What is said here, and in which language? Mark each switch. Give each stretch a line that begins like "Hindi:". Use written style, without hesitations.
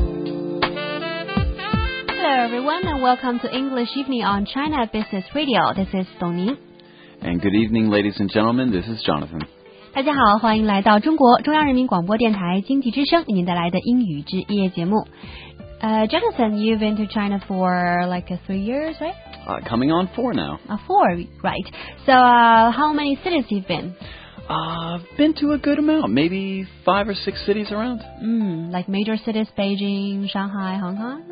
English: everyone, and welcome to English Evening on China Business Radio. This is Dong Ning. And good evening, ladies and gentlemen. This is Jonathan.
Chinese: 大家好，欢迎来到中国中央人民广播电台经济之声为您带来的英语之夜节目。
English: Jonathan, you've been to China for like 3 years, right? Coming on 4 now. Four, right. So, how many cities you've been? I've been to a good amount, maybe 5 or 6 cities around. Like major cities, Beijing, Shanghai, Hong Kong?